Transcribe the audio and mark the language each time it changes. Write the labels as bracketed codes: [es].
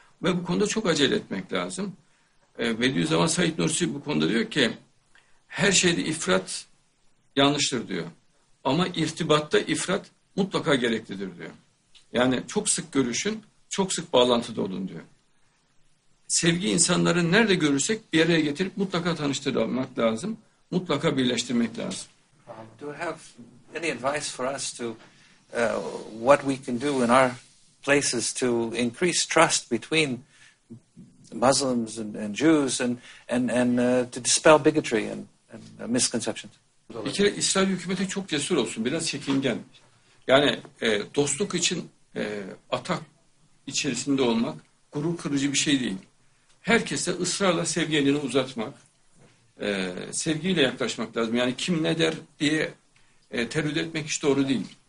[tr] Ve bu konuda çok acele etmek lazım. Bediüzzaman Said Nursi bu konuda diyor ki, her şeyde ifrat yanlıştır diyor. Ama irtibatta ifrat mutlaka gereklidir diyor. Yani çok sık görüşün, çok sık bağlantıda olun diyor. Sevgi insanları nerede görürsek bir araya getirip mutlaka tanıştırmak lazım. Mutlaka birleştirmek lazım. [en] Do you have any advice for us to what we can do in our places to increase trust between Muslims and Jews and to dispel bigotry and misconceptions? [tr] Bir kere İsrail hükümeti çok cesur olsun, biraz çekingen. Yani dostluk için atak içerisinde olmak gurur kırıcı bir şey değil. Herkese ısrarla sevgi elini uzatmak, sevgiyle yaklaşmak lazım. Yani kim ne der diye tereddüt etmek hiç doğru değil.